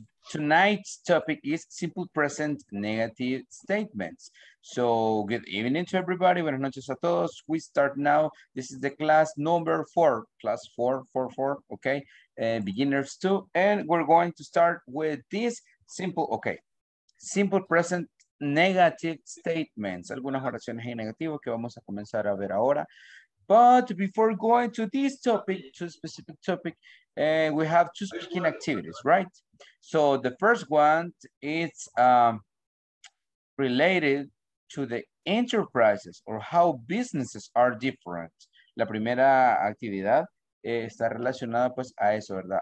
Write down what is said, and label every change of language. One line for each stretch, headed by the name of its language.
English: Tonight's topic is simple present negative statements. So good evening to everybody.
Spanish: Buenas noches a todos.
English: We start now. This is the class number four. Class four, four, four. Okay. Beginners two. And we're going to start with this simple, okay. Simple present negative statements.
Spanish: Algunas oraciones en negativo que vamos a comenzar a ver ahora.
English: But before going to this topic, to a specific topic, we have two speaking activities, right? So the first one is related to the enterprises or how businesses are different.
Spanish: La primera actividad está relacionada pues a eso, ¿verdad?